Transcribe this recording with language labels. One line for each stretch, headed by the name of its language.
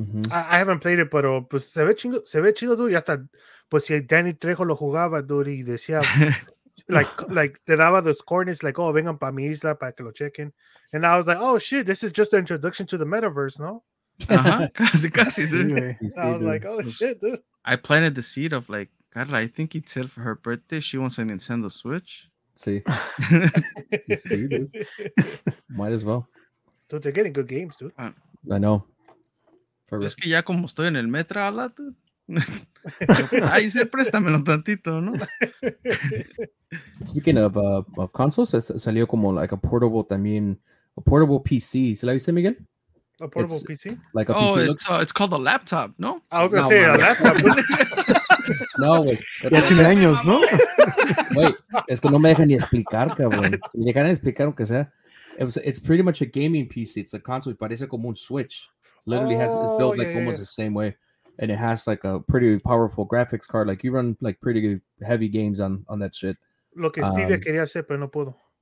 English: I haven't played it,
Spanish: pero pues se ve chingo, se ve chido, dude. Y hasta pues si Danny Trejo lo jugaba, dude, y decía like te daba
English: the coordinates, like, oh,
Spanish: vengan para mi isla para que lo chequen.
English: And I was like, oh shit, this is just an introduction to the metaverse, no?
Spanish: casi, dude.
English: I was like, oh shit, dude. I planted the seed of like, Carla, I think it's said for her birthday she wants a Nintendo Switch. See,
Spanish: sí.
English: Yes, might as well. Dude, they're getting good games, dude. I know.
Spanish: For es que ya como estoy en el metro, ala, dude. Ahí se préstamelo tantito, ¿no?
English: Speaking of consoles,
Spanish: salió como
English: like a portable,
Spanish: también a
English: portable PC.
Spanish: ¿Se la viste, Miguel?
English: A portable it's PC? Like a PC? Oh, it's called a laptop, no? I was gonna say a laptop.
Spanish: No, güey. Ya tiene años, ¿no? Güey, es que no me dejan ni explicar, cabrón. Me dejan explicar aunque sea.
English: It's pretty much a gaming PC. It's a console.
Spanish: Parece como un Switch.
English: Literally has, it's built like almost the same way. And it has like a pretty powerful graphics card. Like you run like pretty good heavy games on that shit.
Spanish: Lo que Steve quería hacer, pero no pudo.